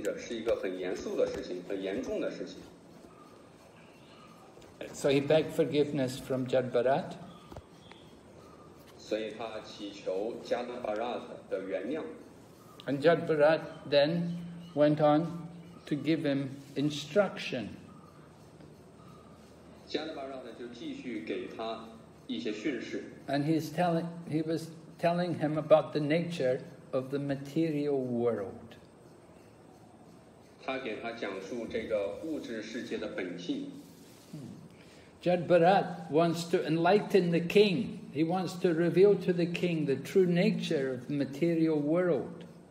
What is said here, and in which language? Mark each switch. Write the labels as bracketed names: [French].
[Chinese] 因为他知道，如果冒犯了一个伟大的灵魂，一个伟大的奉献者，是一个很严肃的事情，很严重的事情。 [English] So he begged forgiveness from Jad Bharat. [Chinese] 所以他祈求加德巴拉的原谅。 [English] And Jad Bharat then went on to give him instruction. [Chinese] 加德巴拉就继续给他一些训示。And [English] he was telling him about the nature of the material world. [Chinese] 他给他讲述这个物质世界的本性。 [English] Jad Bharat wants to enlighten the king. He wants to reveal to the king the true nature of the material world.